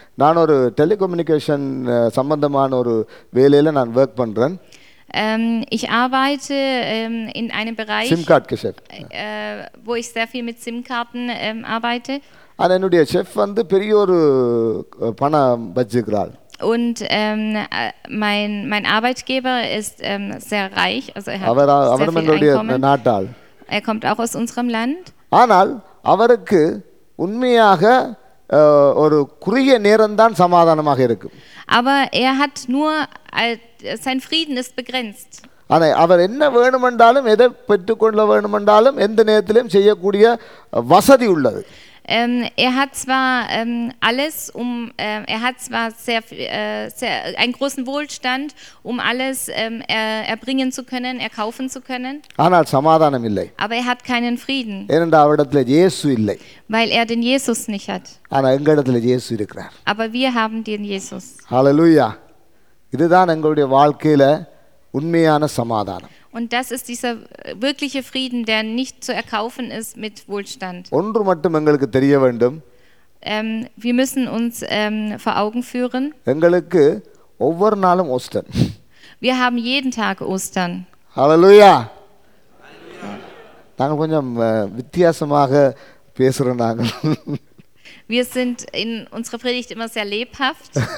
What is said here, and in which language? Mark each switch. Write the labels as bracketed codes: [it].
[ta] நான் ஒரு டெலிகம்யூனிகேஷன் சம்பந்தமான ஒரு வேலையில நான் வர்க் பண்றேன். [de] Ich arbeite in einem Bereich, SIM-Card-Geschäft. Wo ich sehr viel mit SIM-Karten arbeite. [ta] அதனுடைய செஃப் வந்து பெரிய ஒரு பண பட்ஜெட்ல. [de] Und mein Arbeitgeber ist sehr reich, also er hat sehr viel Einkommen. Er kommt auch aus unserem Land. [ta] ஆனால் அவருக்கு உண்மையாக ஒரு குறுகிய நேரம் தான் சமாதானமாக இருக்கும். [de] Aber er hat nur sein Frieden ist begrenzt. [ta] அவர் என்ன வேணுமென்றாலும் எதை பெற்றுக்கொள்ள வேணுமென்றாலும் எந்த நேரத்திலும் செய்யக்கூடிய வசதி உள்ளது. [de] Er hat zwar alles, er hat zwar sehr, sehr einen großen Wohlstand, alles erbringen zu können, erkaufen zu können. [ta] ஆனால் சமாதானம் இல்லை. [de] Aber er hat keinen Frieden. [ta] ஏனென்றால் அவரிடத்தில் இயேசு இல்லை. [de] Weil er den Jesus nicht hat. [ta] ஆனால் எங்களிடத்தில் இயேசு இருக்கிறார். [de] Aber wir haben den Jesus. Hallelujah. [ta] இதுதான் எங்களுடைய வாழ்க்கையில உண்மையான சமாதானம். [de] Und das ist dieser wirkliche Frieden, der nicht zu erkaufen ist mit Wohlstand. [ta] ஒன்று மட்டும் எங்களுக்கு தெரிய வேண்டும். [de] Wir müssen uns vor Augen führen. [ta] எங்களுக்கு ஒவ்வொரு நாளும் oyster. [de] Wir haben jeden Tag Ostern. Halleluja. [ta] நாங்கள் கொஞ்சம் வித்தியாசமாக பேசுறோம் நாங்கள். [de] Wir sind in unserer Predigt immer sehr lebhaft.